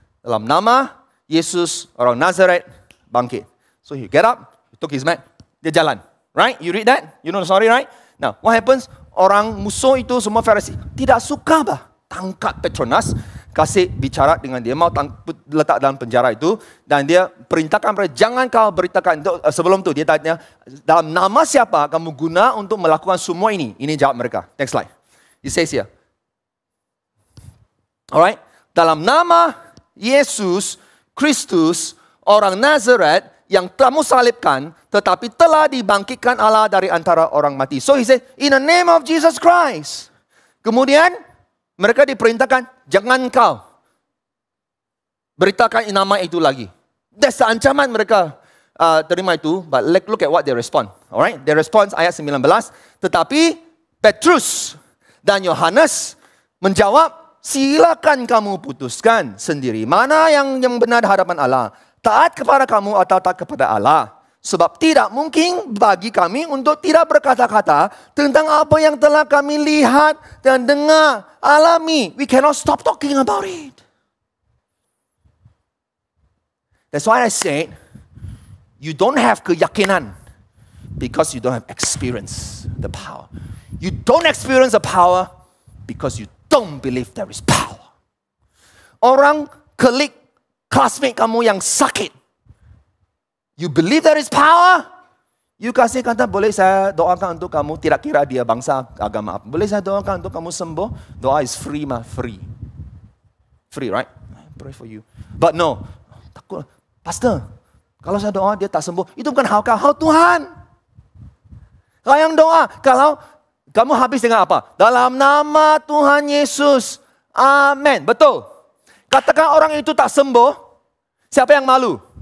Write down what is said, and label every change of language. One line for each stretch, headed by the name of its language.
Malay: Dalam nama Yesus, orang Nazaret, bangkit.
English: So he get up, he took his mat,
Malay: dia jalan.
English: Right? You read that? You know the story, right? Now, what happens?
Malay: Orang musuh itu, semua Farisi, tidak suka bah. Tangkap Petronas, kasih bicara dengan dia, mau letak dalam penjara itu, dan dia perintahkan mereka, jangan kau beritakan. Sebelum tu dia tanya, dalam nama siapa kamu guna untuk melakukan semua ini? Ini jawab mereka.
English: Next slide. He says here.
Malay: Alright. Dalam nama Yesus Kristus, orang Nazaret yang kamu salibkan, tetapi telah dibangkitkan Allah dari antara orang mati.
English: So he says, in the name of Jesus Christ.
Malay: Kemudian, mereka diperintahkan, jangan kau beritakan nama itu lagi.
English: That's the
Malay: ancaman mereka terima itu.
English: But look at what they respond. Alright, their response
Malay: ayat 19. Tetapi Petrus dan Yohanes menjawab, silakan kamu putuskan sendiri. Mana yang benar hadapan Allah? Taat kepada kamu atau taat kepada Allah? Sebab tidak mungkin bagi kami untuk tidak berkata-kata tentang apa yang telah kami lihat dan dengar, alami.
English: We cannot stop talking about it. That's why I said, you don't have keyakinan because you don't have experience the power. You don't experience the power because you don't believe there is power.
Malay: Orang klik
English: classmate
Malay: kamu yang sakit,
English: you believe there is power?
Malay: You kasih kata, boleh saya doakan untuk kamu, tidak kira dia bangsa agama apa. Boleh saya doakan untuk kamu sembuh?
English: Doa is free, mah. Free. Free, right? I pray for you. But no.
Malay: Takut.
English: Pastor,
Malay: Kalau saya doa dia tak sembuh, itu bukan hal kau, hal Tuhan. Kau yang doa, kalau kamu habis dengan apa? Dalam nama Tuhan Yesus, amin. Betul. Katakan orang itu tak sembuh, siapa yang malu?